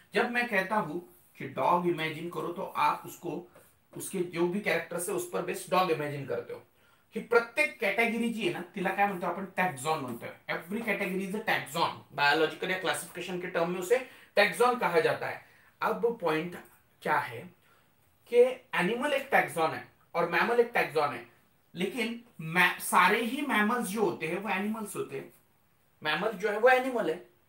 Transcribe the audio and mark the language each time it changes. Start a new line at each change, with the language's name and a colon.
Hindi: जब मैं कहता हूं कि डॉग इमेजिन करो तो आप उसको उसके जो भी कॅरेक्टर्स आहे उस पर बेस्ड डॉग इमेजिन करते हो।
Marathi: ही प्रत्येक कॅटेगरी जी आहे ना तिला काय म्हणतो आपण? टॅक्सॉन म्हणतो।
English: every category is a taxon,
Hindi: बायोलॉजिकल या क्लासिफिकेशन के टर्म में उसे टॅक्सॉन कहा जाता है। अब पॉइंट क्या है कि एनिमल एक टॅक्सॉन है और मैमल एक टॅक्सॉन है, लेकिन सारे ही मैमल्स जो होते हैं वो एनिमल्स होते हैं, मैमल जो है वो एनिमल है।